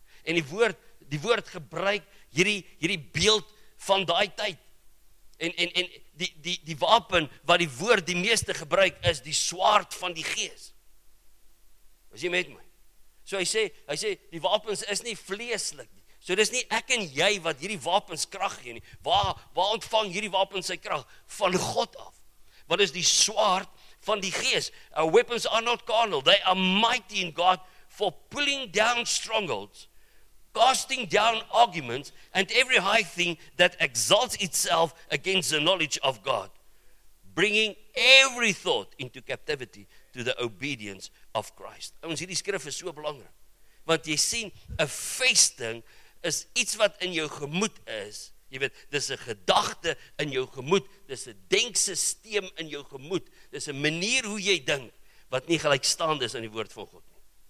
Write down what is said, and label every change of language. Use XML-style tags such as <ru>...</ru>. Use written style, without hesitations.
<af>En die woord gebruik hierdie beeld van daai tyd, en die wapen wat die woord die meeste gebruik is, die swaard van die gees. Is jy met my? So hy sê, die wapens is nie vleeslik nie. So dis nie ek en jy wat hierdie wapens krag gee nie. Waar ontvang hierdie wapens sy krag? Van God af. Wat is die swaard van die gees?</af> <en>Our weapons are not carnal. They are mighty in God for pulling down strongholds. casting down arguments and every high thing that exalts itself against the knowledge of God, bringing every thought into captivity to the obedience of Christ.</en> <af>Ons, hierdie skrif is so belangrik. Want jy sien, 'n vesting is iets wat in jou gemoed is. Jy weet, dis 'n gedagte in jou gemoed, dis 'n denksisteem in jou gemoed, dis 'n manier hoe jy dink wat nie gelykstaande is aan die woord van God nie.</af>